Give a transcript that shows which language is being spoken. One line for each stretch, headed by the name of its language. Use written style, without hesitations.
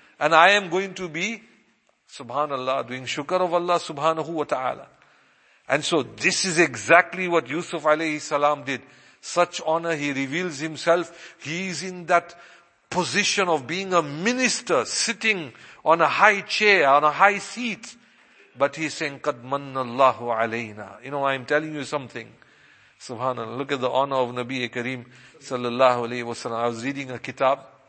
English: And I am going to be, subhanallah, doing shukr of Allah subhanahu wa ta'ala. And so this is exactly what Yusuf alayhi salam did. Such honor, he reveals himself. He is in that position of being a minister, sitting on a high chair, on a high seat. But he's saying,
Arabic: قَدْ مَنَّ اللَّهُ عَلَيْنَا.
English: You know, I'm telling you something. Subhanallah. Look at the honor of Nabi Kareem sallallahu alayhi wa sallam. I was reading a kitab.